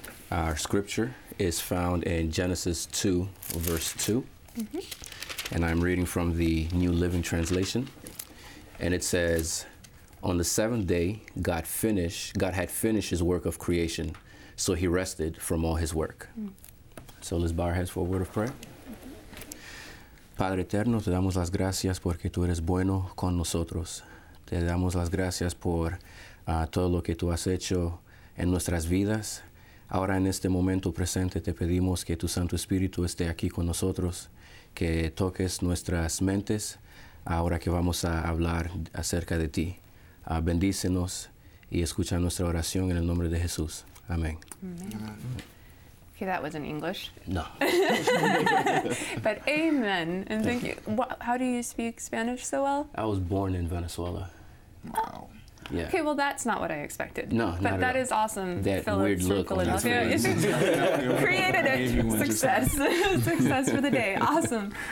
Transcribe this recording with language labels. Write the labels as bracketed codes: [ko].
[en] Our scripture is found in Genesis 2, verse 2. Mm-hmm. And I'm reading from the New Living Translation. And it says, on the seventh day, God had finished his work of creation, so he rested from all his work. Mm-hmm. So let's bow our heads for a word of prayer. Mm-hmm. [es] Padre eterno, te damos las gracias porque tú eres bueno con nosotros. Te damos las gracias por todo lo que tú has hecho en nuestras vidas. Ahora en este momento presente te pedimos que tu Santo Espíritu esté aquí con nosotros. Que toques nuestras mentes ahora que vamos a hablar acerca de ti. Bendícenos y escucha nuestra oración en el nombre de Jesús. Amén. [en] Amen. Okay, that was in English. No. But amen. And thank you. How do you speak Spanish so well? I was born in Venezuela. Wow. Yeah. Okay, well, that's not what I expected. No, but that at all. Is awesome. That Phillips weird look from Philadelphia created it. Success, success for the day. Awesome.